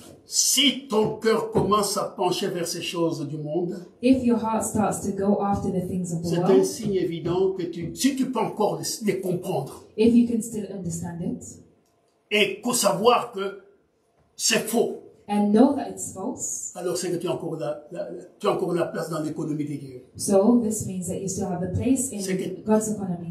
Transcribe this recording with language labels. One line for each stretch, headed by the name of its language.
French: Si ton cœur commence à pencher vers ces choses du monde,
English: if your heart starts to go after the things of the
French: c'est
English: world,
French: un signe évident que tu, si tu peux encore les comprendre,
English: if you can still understand it,
French: et qu'au savoir que c'est faux.
English: And know that it's false.
French: Alors c'est que tu as encore la place dans l'économie de Dieu.
English: So this means that you still have a place in God's economy.